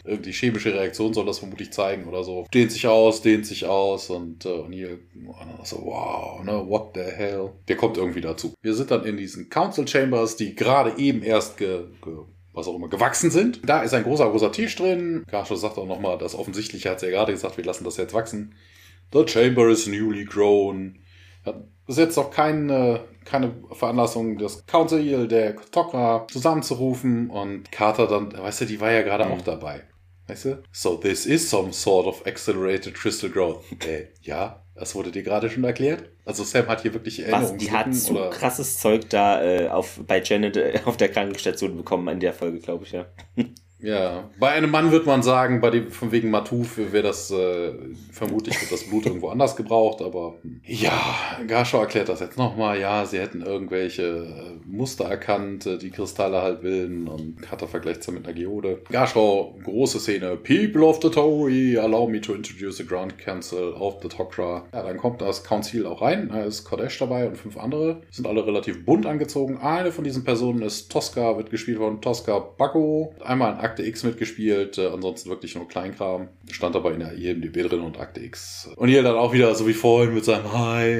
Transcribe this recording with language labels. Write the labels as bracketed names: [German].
[German] Irgendwie chemische Reaktion soll das vermutlich zeigen oder so. Dehnt sich aus und hier so, wow, ne, [English] what the hell. [German] Der kommt irgendwie dazu. Wir sind dann in diesen Council Chambers, die gerade eben erst gewachsen sind. Da ist ein großer, großer Tisch drin. Garshaw sagt auch nochmal, das Offensichtliche hat sie ja gerade gesagt, wir lassen das jetzt wachsen. [English] The chamber is newly grown. [German] Das ist jetzt noch keine Veranlassung, das Council der Tok'ra zusammenzurufen. Und Carter dann, weißt du, die war ja gerade auch dabei. Weißt du? [English] So, this is some sort of accelerated crystal growth. [German] Ja, das wurde dir gerade schon erklärt. Also Sam hat hier wirklich Erinnerungen. Die hat so krasses Zeug da bei Janet auf der Krankenstation bekommen in der Folge, glaube ich, ja. Ja, bei einem Mann würde man sagen, bei dem von wegen Matuf wäre das vermutlich wird das Blut irgendwo anders gebraucht, aber ja, Garshaw erklärt das jetzt nochmal. Ja, sie hätten irgendwelche Muster erkannt, die Kristalle halt bilden und Carter vergleicht es mit einer Geode. Garshaw, große Szene. [English] People of the Tauri, allow me to introduce the Grand Council of the Tok'ra. [German] Ja, dann kommt das Council auch rein. Da ist Cordesh dabei und 5 andere. Sind alle relativ bunt angezogen. Eine von diesen Personen ist Tosca, wird gespielt von Tosca Bacco. Einmal Akte X mitgespielt, ansonsten wirklich nur Kleinkram. Stand aber in der IMDb drin und Akte X. Und hier dann auch wieder so wie vorhin mit seinem Hi.